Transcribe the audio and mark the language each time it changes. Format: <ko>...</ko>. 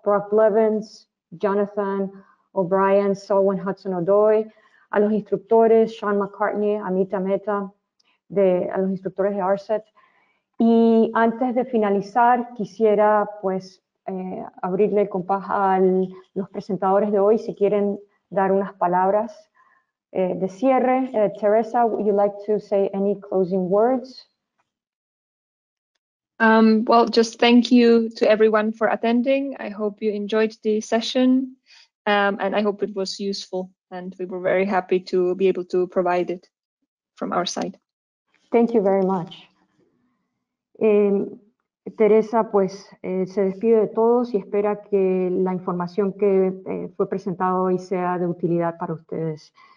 <es>Brock Levins, Jonathan O'Brien, Selwyn Hudson-Odoi, a los instructores Sean McCartney, Amita Mehta, a los instructores de RSET. Y antes de finalizar, quisiera pues abrirle compás a los presentadores de hoy si quieren dar unas palabras. De cierre,</es> <en>Teresa, would you like to say any closing words? Well, just thank you to everyone for attending. I hope you enjoyed the session and I hope it was useful and we were very happy to be able to provide it from our side. Thank you very much.</en> <es>Teresa, pues, se despide de todos y espera que la información que fue presentada hoy sea de utilidad para ustedes.</es>